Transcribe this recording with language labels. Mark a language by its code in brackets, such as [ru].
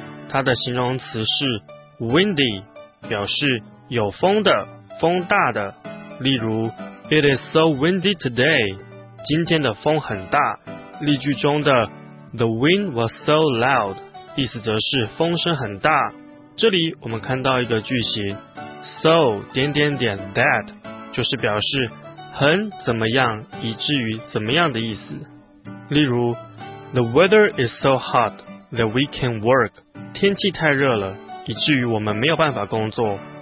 [zh] 它的形容词是 windy 表示有风的风大的例如 [en] It is so windy today [zh] 今天的风很大例句中的 [en] The wind was so loud [zh] 意思则是风声很大。这里我们看到一个句型 ，so 点点点 that 就是表示很怎么样，以至于怎么样的意思。 [en] 例如 ，The weather is so hot that we can't work。 [zh] 天气太热了，以至于我们没有办法工作。